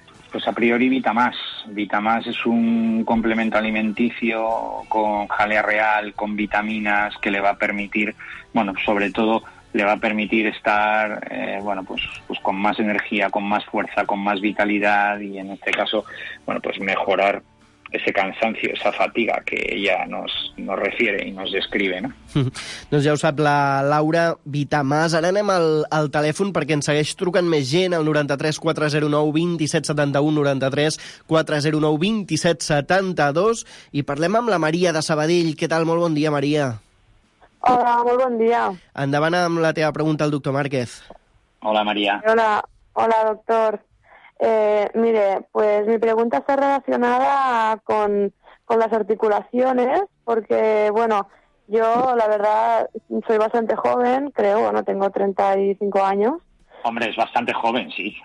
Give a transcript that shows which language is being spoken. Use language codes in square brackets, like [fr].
[es] Pues a priori Vitamás. Vitamás es un complemento alimenticio con jalea real, con vitaminas, que le va a permitir, sobre todo le va a permitir estar, bueno, pues con más energía, con más fuerza, con más vitalidad y en este caso, bueno, pues mejorar ese cansancio, esa fatiga que ella nos refiere y nos describe, ¿no? [ca] Doncs ja ho sap la Laura Vitamàs. Ara anem al telèfon perquè ens segueix trucant més gent al 93-409-2771, 93-409-2772, i parlem amb la Maria de Sabadell. Què tal? Molt bon dia, Maria. Hola, molt bon dia. Endavant amb la teva pregunta al doctor Márquez. Hola, Maria. Hola, doctor. [es] Mire, pues mi pregunta está relacionada con las articulaciones, porque, bueno, yo la verdad soy bastante joven, creo, bueno, tengo 35 años. Hombre, es bastante joven, sí.